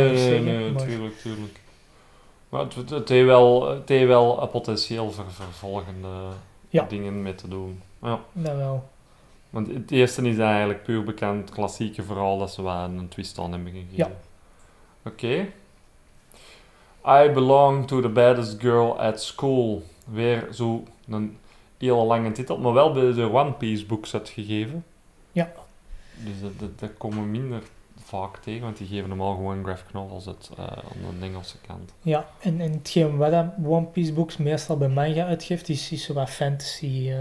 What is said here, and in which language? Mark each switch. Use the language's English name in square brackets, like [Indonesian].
[Dutch] Natuurlijk. Maar het heeft wel een potentieel voor vervolgende dingen mee te doen. Ja, dat wel. Want het eerste is eigenlijk puur bekend, klassieke verhaal, dat ze wel een twist aan hebben gegeven. Ja. Oké. [English] Okay. I belong to the baddest girl at school. [Dutch] Weer zo'n hele lange titel, maar wel bij de One Piece books uitgegeven. Ja. Dus dat komen minder... vaak tegen, want die geven normaal gewoon graphic novels aan de Engelse kant. Ja, en hetgeen wat One Piece Books meestal bij manga uitgeeft, is zo wat fantasy.